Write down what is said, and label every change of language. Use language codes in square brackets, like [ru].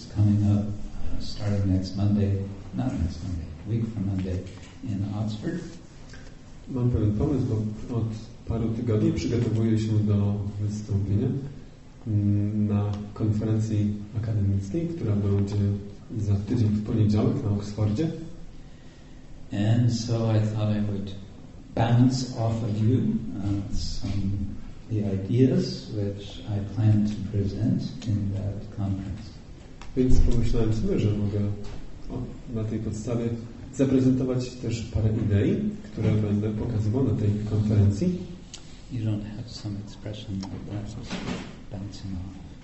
[en] It's coming up starting next Monday. Not next Monday. Week from Monday. In Oxford. [pl] Mam pewien pomysł, bo od paru tygodni przygotowuję się do wystąpienia na konferencji akademickiej, która będzie za tydzień w poniedziałek na Oxfordzie. [en] And so I thought I would bounce off of you some the ideas which I plan to present in that conference. [pl] Więc pomyślałem sobie, że mogę na tej podstawie zaprezentować też parę idei, które będę pokazywał na tej konferencji. [en] You don't have some expression that that's just bouncing off.